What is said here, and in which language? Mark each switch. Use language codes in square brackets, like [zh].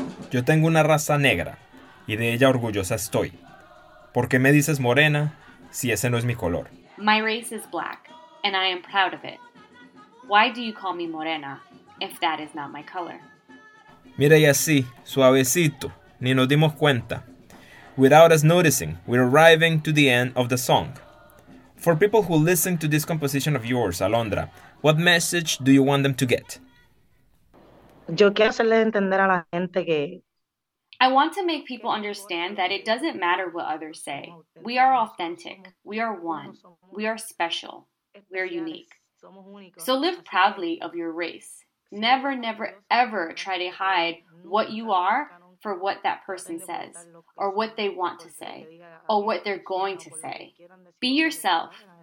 [es] Yo tengo una raza negra, y de ella orgullosa estoy. ¿Por qué me dices morena si ese no es mi color? [en] My race is black, and I am proud of it. Why do you call me morena if that is not my color? [es] Mira y así, suavecito, ni nos dimos cuenta. [en] Without us noticing, we're arriving to the end of the song. For people who listen to this composition of yours, Alondra, what message do you want them to get? [es] Yo quiero hacerle entender a la gente que... [en] I want to make people understand that it doesn't matter what others say. We are authentic. We are one. We are special. We are unique. So live proudly of your race. Never, never, ever try to hide what you are for what that person says, or what they want to say, or what they're going to say. Be yourself.